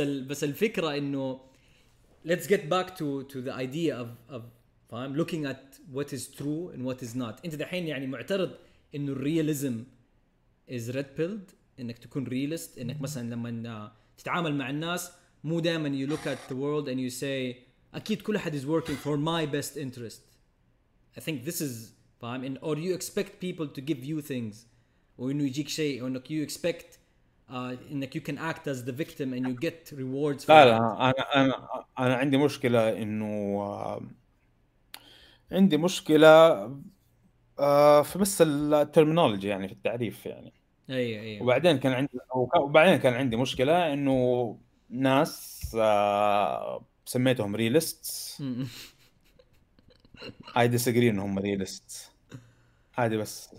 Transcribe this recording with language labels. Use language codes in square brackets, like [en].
[ar] بس الفكرة إنه [en] let's get back to the idea of [ar] فاهم [en] looking at what is true and what is not [ar] أنت دحين يعني معترض إنه [en] realism is red pilled [ar] إنك تكون [en] realist [ar] إنك مثلا لما تتعامل مع الناس مو دائما [en] you look at the world and you say [ar] أكيد كل أحد [en] is working for my best interest. I think this is fine. And or you expect people to give you things, or [ar] إنه يجيك شيء, [en] or [ar] إنك [en] you expect إنك you can act as the victim and you get rewards. [ar] لا أنا عندي مشكلة إنه عندي مشكلة في بس الترمينولوجي يعني في التعريف يعني. أيه. وبعدين كان عندي مشكلة إنه ناس سميتهم ريلست [en] I disagree [ar] انهم ريلست عادي بس